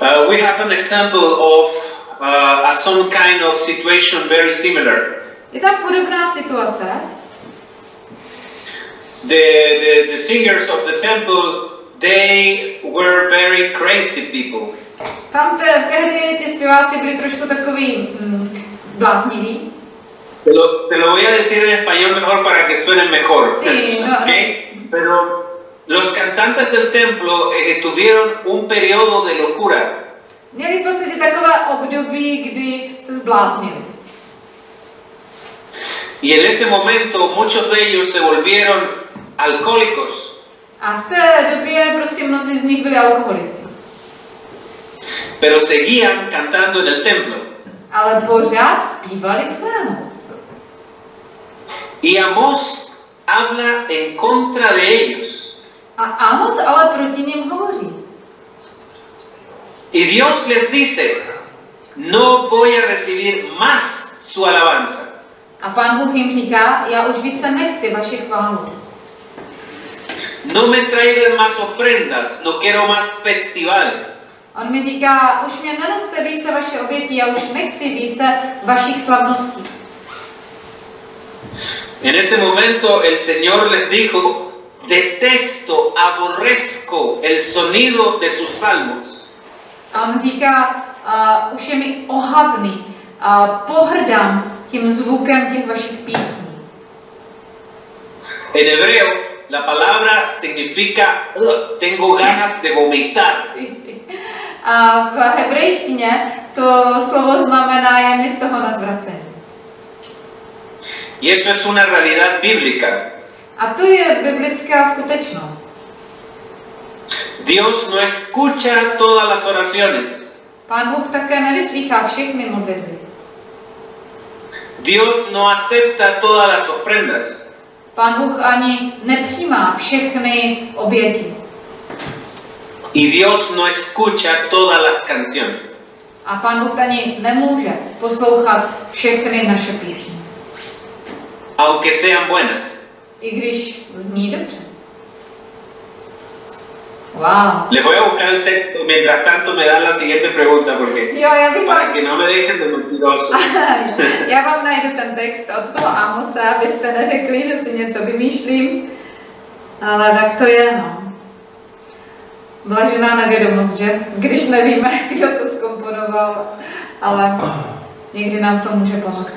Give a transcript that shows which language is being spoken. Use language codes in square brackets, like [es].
[en] We have an example of a some kind of situation very similar. [cs] Je tam podobná situace. [en] The singers of the temple, they were very crazy people. [cs] Tam tehdy ti zpěváci byli trošku takový blázniví. [es] Te lo voy a decir en español mejor para que suene mejor. Sí, okay. Pero los cantantes del templo tuvieron un periodo de locura. [cs] Měli v podstatě takové období, kdy se zbláznili. [es] Y en ese momento muchos de ellos se volvieron alcohólicos. [cs] A v té době prostě mnozí z nich byli alkoholici. [es] Pero seguían cantando en el templo. [cs] Ale pořád zpívali v chrámu. [es] Y Amos habla en contra de ellos. [cs] A Amos ale proti ním hovoří. [es] Y Dios les dice, no voy a recibir más su alabanza. [cs] A Pán Bůh jim říká, já už více nechci vaši chválu. [es] No me traigan más ofrendas, no quiero más festivales. [cs] On mi říká, už mě neroste více vaše oběti, já už nechci více vašich slavností. [es] En ese momento el Señor les dijo, detesto, aborrezco el sonido de sus salmos. [cs] A on říká, už je mi ohavný, pohrdám tím zvukem těch vašich písní. [es] En hebreo, la palabra significa, tengo ganas de vomitar. Sí, sí. [cs] A v hebrejštině to slovo znamená, je mi z toho na zvracení. [es] Y eso es una realidad bíblica. [cs] A to je biblická skutečnost. [es] Dios no escucha todas las oraciones. [cs] Pán Bůh také nevyslýchá všechny modlitby. [es] Dios no acepta todas las ofrendas. [cs] Pán Bůh ani nepřijímá všechny oběti. [es] Y Dios no escucha todas las canciones. [cs] A Pán Bůh ani nemůže poslouchat všechny naše písně. [es] Aunque sean buenas. [cs] I když zní dobře. [en] Wow. [es] Les voy a buscar el texto, mientras tanto me dan la siguiente pregunta, porque [cs] jo, já bych [es] para que no me dejen de mentiroso. [cs] Já vám najdu ten text od toho Amosa, abyste neřekli, že si něco vymýšlím. Ale tak to je, no. Blažená nevědomost, že? Když nevíme, kdo to zkomponoval, ale někdy nám to může pomoct.